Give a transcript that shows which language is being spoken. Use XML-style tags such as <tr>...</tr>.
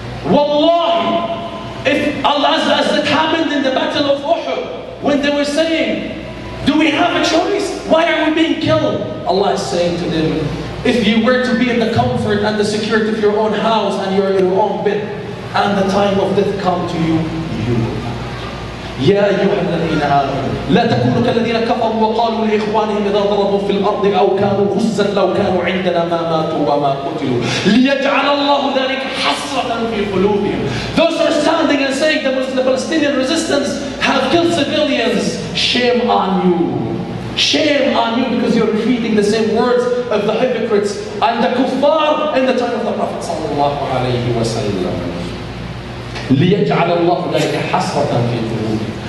<en>Wallahi, if Allah, as it happened in the Battle of Uhud, when they were saying, do we have a choice? Why are we being killed? Allah is saying to them, if you were to be in the comfort and the security of your own house and your own bed, and the time of death come to you, you will die.</en> <ar>يا أيها الذين آمنوا لا تكونوا كالذين كفروا وقالوا لإخوانهم إذا ضربوا في الأرض أو كانوا غزا لو كانوا عندنا ما ماتوا وما قتلوا ليجعل الله ذلك حسرة في قلوبهم.</ar> <en>Those who are standing and saying the Palestinian resistance have killed civilians, shame on you. Shame on you because you're repeating the same words of the hypocrites and the kuffar in the time of the Prophet</en> <ar>صلى الله عليه وسلم. ليجعل الله ذلك حسرة في قلوبهم.</ar>